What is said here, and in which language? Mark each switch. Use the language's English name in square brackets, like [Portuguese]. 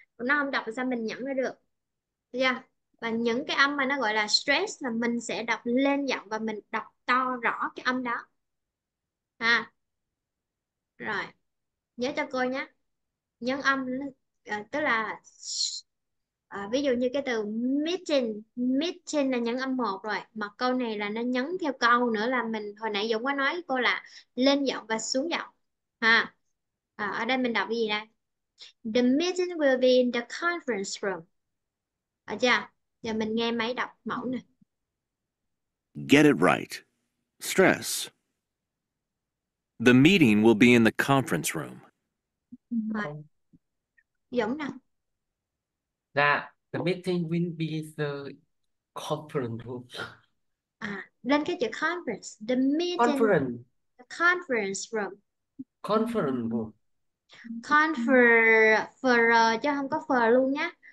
[Vietnamese] Nó không đọc ra mình nhận ra được. Được chưa? Và những cái âm mà nó gọi là stress là mình sẽ đọc lên giọng và mình đọc to rõ cái âm đó. À. Rồi. Nhớ cho cô nhé. Nhấn âm tức là ví dụ như cái từ meeting, meeting là nhấn âm một rồi, mà câu này là nó nhấn theo câu nữa, là mình hồi nãy Dũng có nói với cô là lên giọng và xuống giọng. À. Ở đây mình đọc cái gì đây? [English] The meeting will be in the conference room. [Vietnamese] Ở chưa? Giờ mình nghe máy đọc mẫu nè. [English] Get it right. Stress. The meeting will be in the conference room. [Vietnamese] Rồi. Dũng nè. [English] Dạ, the meeting will be the conference room. [Vietnamese] À, lên cái chữ conference. [English] The Conference. meeting. The Conference room. conference room. [Vietnamese] Conference chứ không có phờ luôn nhé.